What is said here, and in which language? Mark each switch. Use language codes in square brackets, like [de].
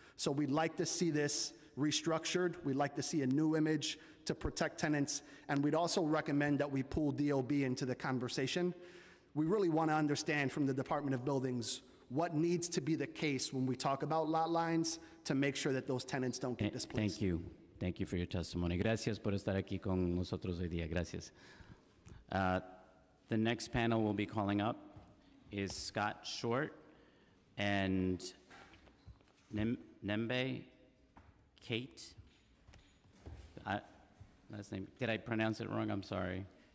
[en] So we'd like to see this restructured. We'd like to see a new image to protect tenants. And we'd also recommend that we pull DOB into the conversation. We really want to understand from the Department of Buildings what needs to be the case when we talk about lot lines to make sure that those tenants don't get displaced. Thank you. Thank you for your testimony. [es] Gracias por estar aquí con nosotros hoy día. Gracias. [en] The next panel we'll be calling up is Scott Short and Nembe Kate. Last name. Did I pronounce it wrong? I'm sorry.